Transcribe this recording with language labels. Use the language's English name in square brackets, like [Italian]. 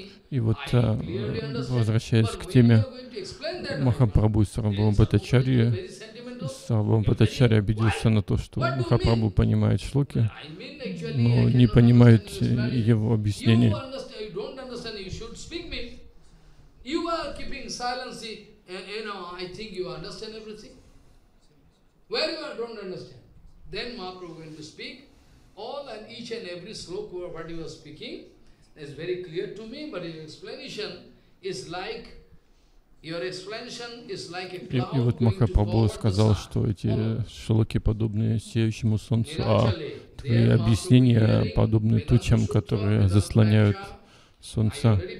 [Russian] И вот, возвращаясь к теме Махапрабху и Сарвабхаумапатачарьи, Сарвабхаумапатачарьи обиделся на то, что Махапрабху понимает шлоки, но не понимает его объяснений. [English] Is very clear to me, but your explanation is like [Russian] И вот Махапрабху сказал, что эти шлоки подобны сеющему солнцу, а твои объяснения подобны тучам, которые заслоняют солнце.